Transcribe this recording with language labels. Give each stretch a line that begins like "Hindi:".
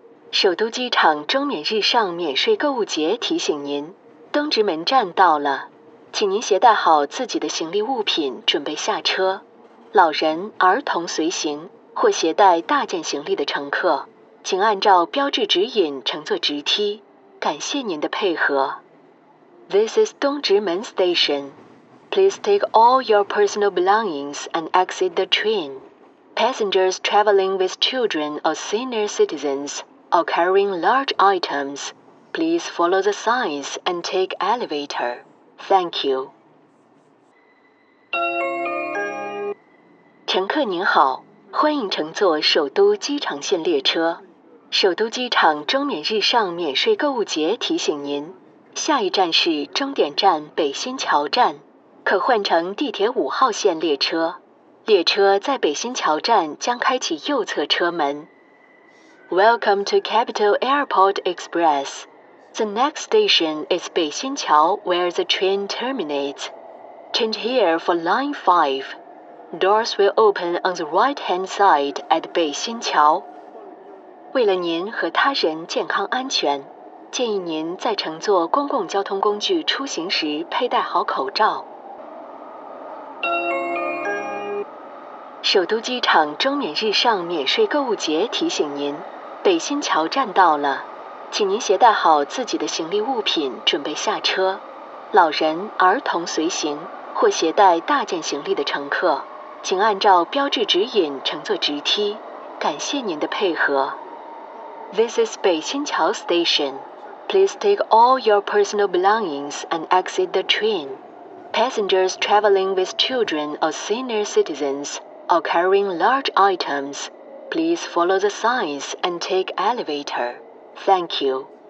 Chinese: 首都机场中免日上免税购物节提醒您，东直门站到了，请您携带好自己的行李物品准备下车。老人、儿童随行或携带大件行李的乘客，请按照标志指引乘坐直梯。感谢您的配合。
English: This is 东直门 station. Please take all your personal belongings and exit the train. Passengers traveling with children or senior citizens or carrying large items, please follow the signs and take elevator. Thank you.
Chinese: 乘客您好，欢迎乘坐首都机场线列车。首都机场中免日上免税购物节提醒您，下一站是终点站北新桥站，可换乘地铁五号线列车。列车在北新桥站将开启右侧车门。
English: Welcome to Capital Airport Express. The next station is 北新桥 where the train terminates. Change here for line 5. Doors will open on the right-hand side at 北新桥。
Chinese: 为了您和他人健康安全，建议您在乘坐公共交通工具出行时佩戴好口罩。首都机场中免日上免税购物节提醒您，北新桥站到了，请您携带好自己的行李物品准备下车。老人、儿童随行或携带大件行李的乘客，请按照标志指引乘坐直梯。感谢您的配合。
English: This is 北新桥 station. Please take all your personal belongings and exit the train. Passengers traveling with children or senior citizens or carrying large items, please follow the signs and take elevator. Thank you.